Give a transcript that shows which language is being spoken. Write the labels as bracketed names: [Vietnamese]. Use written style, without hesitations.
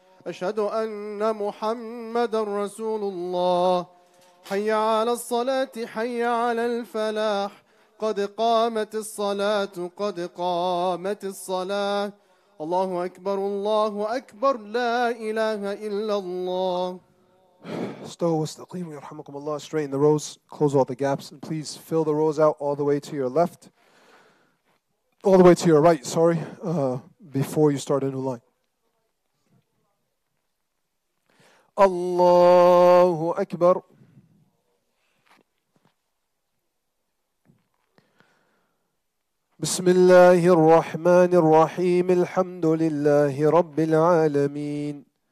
[Arabic] أشهد أن محمد رسول الله حي على الصلاة حي على الفلاح قد قامت الصلاة قد قامت الصلاة الله أكبر الله أكبر لا إله إلا الله استووا واستقيموا يرحمكم الله [English] straighten the rows, close all the gaps and please fill the rows out all the way to your left, all the way to your right, sorry, before you start a new line. [Arabic] الله أكبر بسم الله الرحمن الرحيم الحمد لله رب العالمين